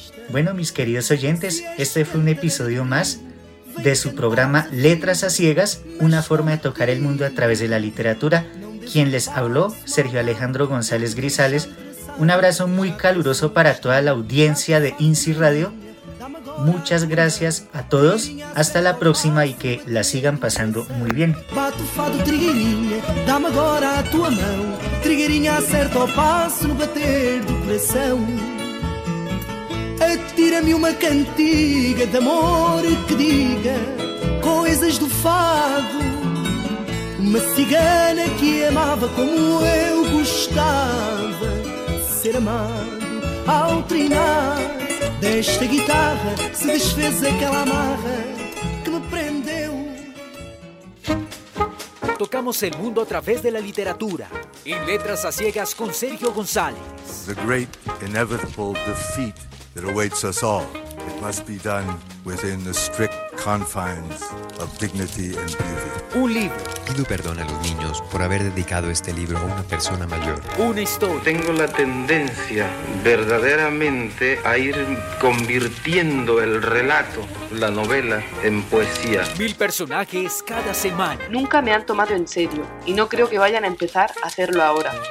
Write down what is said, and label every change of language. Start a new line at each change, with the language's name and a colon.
Spanish: Bueno, mis queridos oyentes, este fue un episodio más de su programa Letras a Ciegas, una forma de tocar el mundo a través de la literatura. Quien les habló, Sergio Alejandro González Grisales. Un abrazo muy caluroso para toda la audiencia de INSI Radio. Muchas gracias a todos. Hasta la próxima y que la sigan pasando muy bien.
Portuguese: Bato fado, trigueirinha, dá-me agora a tua mão. Trigueirinha acerta o passo no bater do coração. Atira-me uma cantiga de amor que diga coisas do fado. Uma cigana que amava como eu gostava ser amado. Ao trinar desta guitarra se desfez aquela amarra que me prendeu.
Spanish: Tocamos el mundo a través de la literatura y Letras a Ciegas con Sergio González.
English: The great inevitable defeat that awaits us all. It must be done within the strict confines of dignity and beauty.
Spanish: Un libro. Pido perdón a los niños por haber dedicado este libro a una persona mayor. Una historia. Tengo la tendencia verdaderamente a ir convirtiendo el relato, la novela, en poesía. 1000 personajes cada semana. Nunca me han tomado en serio y no creo que vayan a empezar a hacerlo ahora.